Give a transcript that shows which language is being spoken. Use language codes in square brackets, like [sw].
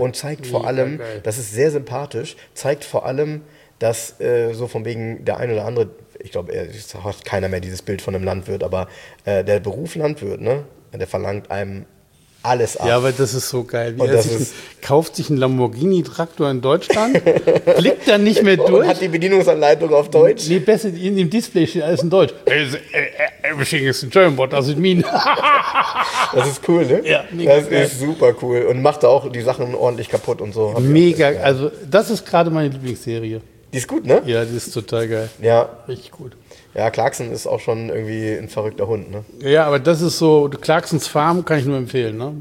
[de] Und zeigt mega vor allem, geil. Das ist sehr sympathisch, zeigt vor allem, dass so von wegen der ein oder andere, ich glaube, es hat keiner mehr dieses Bild von einem Landwirt, aber der Beruf Landwirt, ne, der verlangt einem alles ab. Ja, aber das ist so geil. Wie er kauft sich einen Lamborghini-Traktor in Deutschland, blickt dann nicht mehr durch. Und hat die Bedienungsanleitung auf Deutsch. Nee, besser, in dem Display steht alles in Deutsch. [en] Everything is in German, what does it mean? [de] Das ist cool, ne? Ja, mega. Das ist super cool. Und macht da auch die Sachen ordentlich kaputt und so. Mega, also das ist gerade meine Lieblingsserie. Die ist gut, ne? Ja, die ist total geil. Ja. Richtig gut. Ja, Clarkson ist auch schon irgendwie ein verrückter Hund, ne? Ja, aber das ist so, Clarksons Farm kann ich nur empfehlen, ne?